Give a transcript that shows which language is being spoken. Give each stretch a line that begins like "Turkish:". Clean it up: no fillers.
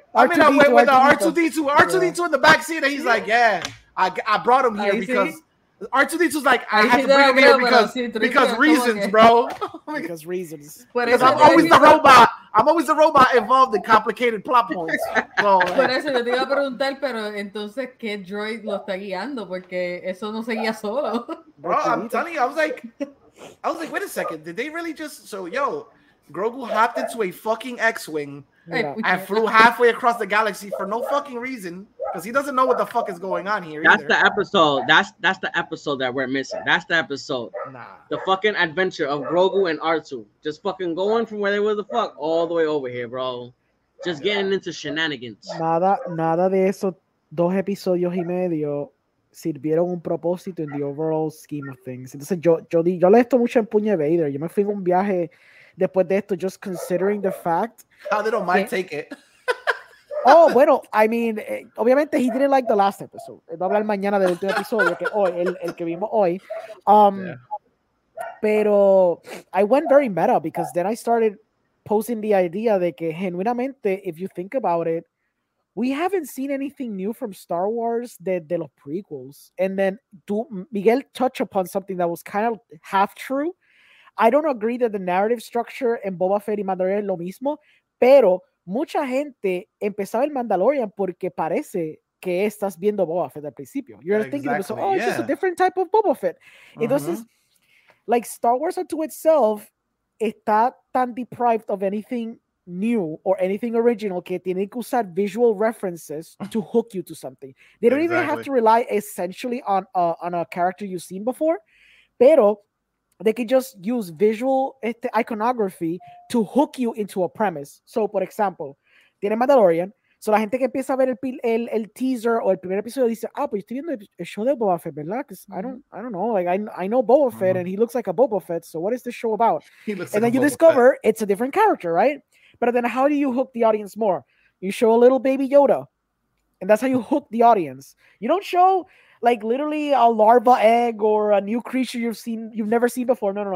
English: I mean, R2-D2, with R2-D2. R2-D2 in the backseat, and he's like, yeah, I brought him here because... R2-D2's like, I have to bring him here because reasons, bro. Because reasons. Because I'm always the robot. I'm always the robot involved in complicated plot points.
Spanish: Por eso le iba a preguntar, pero entonces, ¿qué droid lo está guiando? Porque eso no seguía solo.
English: Bro, I'm telling you, I was like, wait a second. Did they really just... So, yo, Grogu hopped into a fucking X-Wing and flew halfway across the galaxy for no fucking reason. Because he doesn't know what the fuck is going on here. That's either. The episode. That's the episode that we're missing. That's the episode. Nah. The fucking adventure of Grogu and R2. Just fucking going from where they were the fuck all the way over here, bro. Just getting into shenanigans.
Spanish: Nada de eso. Dos episodios y medio sirvieron un propósito
English: in the overall scheme of things.
Spanish: Entonces yo le esto mucho en puño Vader. Yo me fui en un viaje después de esto
English: just considering the fact. How they don't mind take it.
Spanish: Oh, bueno,
English: I mean, obviamente he didn't like the last episode.
Spanish: Va a hablar mañana del último episodio, que hoy, el que vimos hoy.
English: Pero I went very meta because then I started posing the idea
Spanish: de que genuinamente,
English: if you think about it, we haven't seen anything new from Star Wars
Spanish: de los prequels.
English: And then Miguel touched upon something that was kind of half true. I don't agree that the narrative structure in Boba Fett y Mandalorian
Spanish: es lo mismo, pero... Mucha gente empezaba el Mandalorian porque parece que estás viendo Boba Fett al principio.
English: You're thinking, exactly, oh, it's just a different type of Boba Fett. Uh-huh. Entonces, like, Star Wars unto itself
Spanish: está tan
English: deprived of anything new or anything original
Spanish: que tiene que usar
English: visual references to hook you to something. They don't even have to rely essentially on a character you've seen before, pero they can just use visual iconography to hook you into a premise. So, for example, tiene Mandalorian.
Spanish: So, la gente que empieza a ver el teaser o el primer episodio dice, ah, pues estoy viendo el show de Boba Fett, ¿verdad?
English: Because I don't know. Like, I know Boba Fett, uh-huh, and he looks like a Boba Fett. So, what is this show about? And then you discover it's a different character, right? But then how do you hook the audience more? You show a little baby Yoda. And that's how you hook the audience. You don't show... like literally a larva egg or a new creature you've never seen before. No.